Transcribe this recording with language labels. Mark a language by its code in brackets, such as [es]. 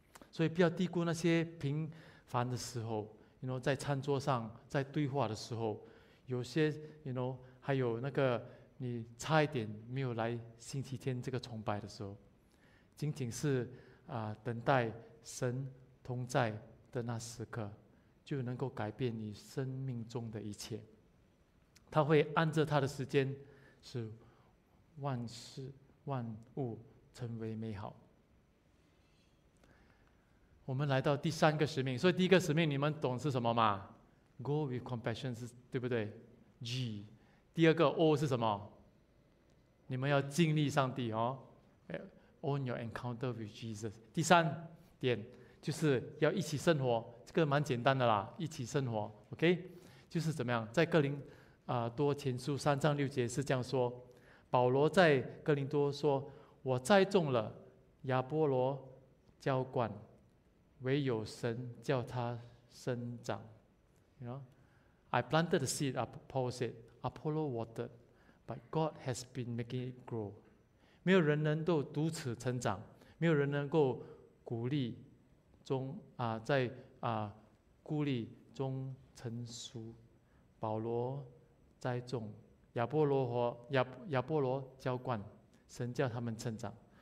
[zh] 所以不要低估那些平凡的时候，在餐桌上在对话的时候，有些还有那个你差一点没有来星期天这个崇拜的时候，仅仅是等待神同在的那时刻，就能够改变你生命中的一切。他会按着他的时间使万事万物成为美好。我们来到第三个使命，所以第一个使命你们懂是什么吗？ [en] Go with compassion [zh] 是对不对？ G 第二个 O 是什么？你们要经历上帝 [en] Own your encounter with Jesus。 [zh] 第三点就是要一起生活，这个蛮简单的啦，一起生活 OK， 就是怎么样，在哥林多前书3:6是这样说，保罗在哥林多说，我栽种了，亚波罗浇灌，唯有神叫他生长。 [en] I planted the seed, Paul said, Apollo watered, but God has been making it grow. [zh] 没有人能够如此成长，没有人能够鼓励中在鼓励中成熟。保罗栽种，亚波罗和亚波罗浇灌，神叫他们成长。